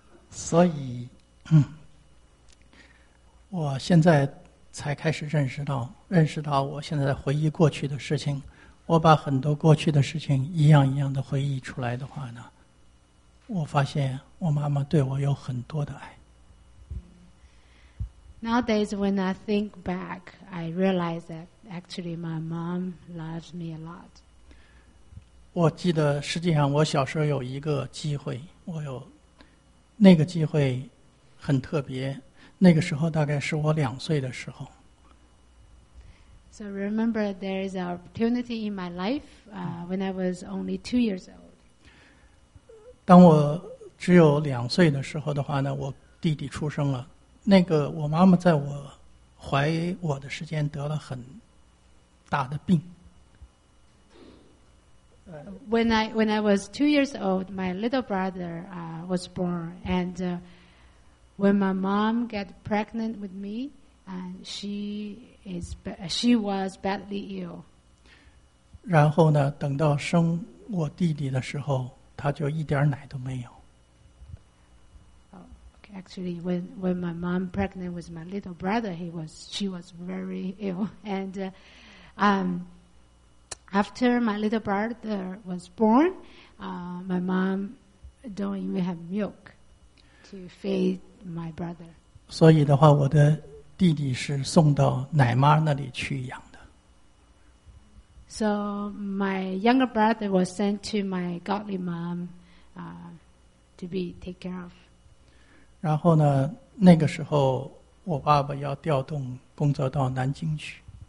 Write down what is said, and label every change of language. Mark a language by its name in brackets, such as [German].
[Chinese] 所以我现在才开始认识到我现在回忆过去的事情我把很多过去的事情一样一样的回忆出来的话呢我发现我妈妈对我有很多的爱。 [English] Nowadays, when I think back, I realize that actually my mom loves me a lot. [Chinese] 我记得实际上我小时候有一个机会，我有那个机会很特别。那个时候大概是我2岁的时候。 [English] So remember, there is an opportunity in my life when I was only 2 years old. [Chinese] 当我只有2岁的时候的话呢，我弟弟出生了。那个我妈妈在我怀我的时间得了很大的病。 [English] When I was 2 years old, my little brother was born, and when my mom got pregnant with me, and she was badly ill. [Chinese] 然后呢，等到生我弟弟的时候。他就一点奶都没有。 [English] Actually, when my mom pregnant with my little brother, she was very ill. And after my little brother was born, my mom don't even have milk to feed my brother. [Chinese] 所以的话，我的弟弟是送到奶妈那里去养。 [English] So my younger brother was sent to my godly mom to be taken care of. [Chinese] 然后呢，那个时候我爸爸要调动工作到南京去。